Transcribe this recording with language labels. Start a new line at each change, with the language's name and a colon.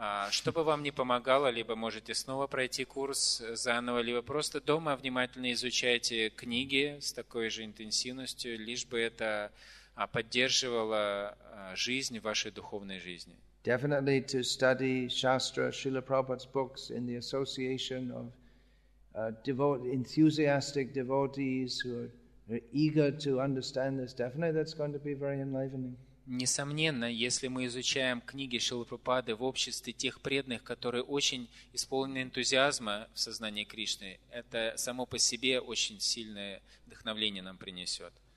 Russian: Чтобы вам не помогало, либо можете снова пройти курс заново, либо просто дома внимательно изучайте книги с такой же интенсивностью, лишь бы это поддерживало жизнь в вашей духовной жизни.
English: Definitely to study Shastra, Srila Prabhupada's books in the association of enthusiastic devotees who are eager to understand this. Definitely that's going to be very enlivening.
Russian: Несомненно, если мы изучаем книги Шрилы Прабхупады в обществе тех преданных, которые очень исполнены энтузиазма в сознании Кришны, это само по себе очень сильное вдохновение нам принесет.